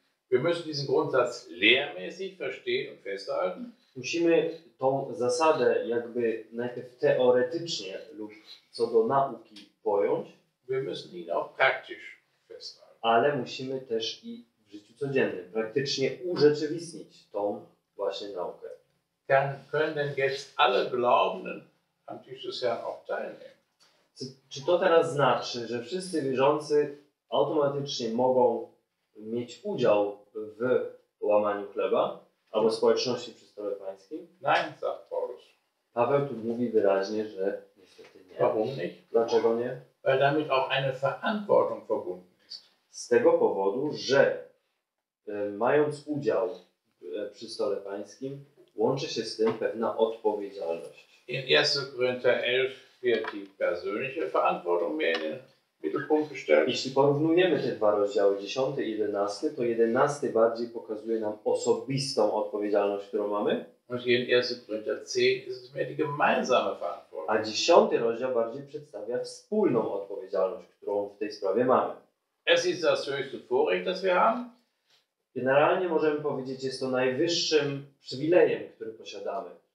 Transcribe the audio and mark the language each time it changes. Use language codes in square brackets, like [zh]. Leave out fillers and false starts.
[de] Wir müssen diesen Grundsatz lehrmäßig verstehen und festhalten. [pl] Musimy tą zasadę jakby najpierw teoretycznie lub co do nauki pojąć. [de] Wir müssen ihn auch praktisch festhalten. [pl] Ale musimy też i w życiu codziennym praktycznie urzeczywistnić tą właśnie naukę. [de] Können denn jetzt alle Glaubenden am Tisch des Herrn auch teilnehmen? [pl] Czy to teraz znaczy, że wszyscy wierzący automatycznie mogą mieć udział w łamaniu chleba albo społeczności przy stole pańskim? [de] Nein, sagt Paulus. [pl] Paweł tu mówi wyraźnie, że niestety nie. [de] Warum nicht? [pl] Dlaczego nie? [de] Weil damit auch eine Verantwortung verbunden ist. [pl] Z tego powodu, że mając udział przy stole pańskim, łączy się z tym pewna odpowiedzialność. [de] In 1. Korinther 11 wird die persönliche Verantwortung mehr in den Mittelpunkt gestellt. [pl] Jeśli porównujemy te dwa rozdziały, 10 i 11, to 11 bardziej pokazuje nam osobistą odpowiedzialność, którą mamy. [de] Und hier in 1. Korinther 10 ist es mehr die gemeinsame Verantwortung. [pl] A 10 rozdział bardziej przedstawia wspólną odpowiedzialność, którą w tej sprawie mamy. [de] Es ist das höchste Vorrecht, das wir haben. [pl] Generalnie możemy powiedzieć, jest to najwyższym przywilejem, który posiadamy.